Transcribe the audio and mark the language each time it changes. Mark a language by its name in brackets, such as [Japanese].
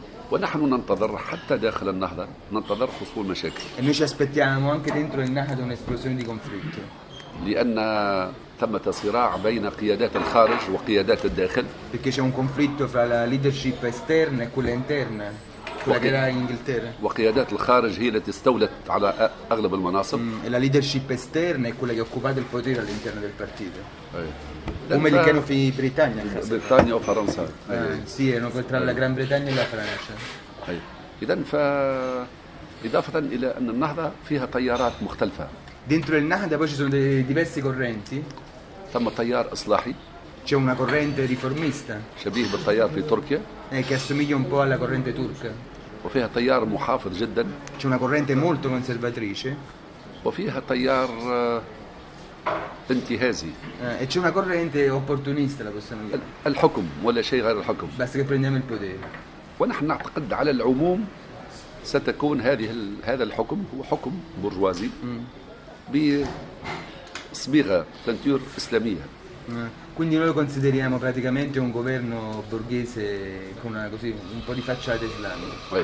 [Arabic] ونحن ننتظر حتى داخل النهضة ننتظر حصول مشاكل. [Italian] E noi ci aspettiamo anche dentro il Nahda un'esplosione di conflitto. [Arabic] لأن ثمة صراع بين قيادات الخارج وقيادات الداخل. [Italian] Perché c'è un conflitto fra la leadership esterna e quella interna, quella che era in Inghilterra. [Arabic] وقيادات الخارج هي التي استولت على أغلب المناصب. [Italian] E la leadership esterna è quella che ha occupato il potere all'interno del partito. Come li chiamano in Britannia? Britannia o Francia? Sì, erano tra la Gran Bretagna e la Francia. [Arabic] إذن فا إضافة إلى أن النهضة فيها تيارات مختلفة. [Italian] Dentro il Nahda poi ci sono diverse correnti. [Arabic] ثم تيار إصلاحي. [Italian] C'è una corrente riformista. [Arabic] شبيه بالتيار في تركيا. [Italian] Che assomiglia un po' alla corrente turca. [Arabic] وفيها تيار محافظ جدا. [Italian] C'è una corrente molto conservatrice. [Arabic] وفيها تيار انتهازي. [Italian] C'è una corrente opportunista, la possiamo dire. [Arabic] الحكم ولا شيء غير الحكم. بس كي [Italian] prendiamo il potere. [Arabic] ونحن نعتقد على العموم ستكون هذه هذا الحكم هو حكم برجوازي بصبغة تنتير إسلامية. [Italian] Quindi noi lo consideriamo praticamente un governo borghese con una così un po' di facciata islamica.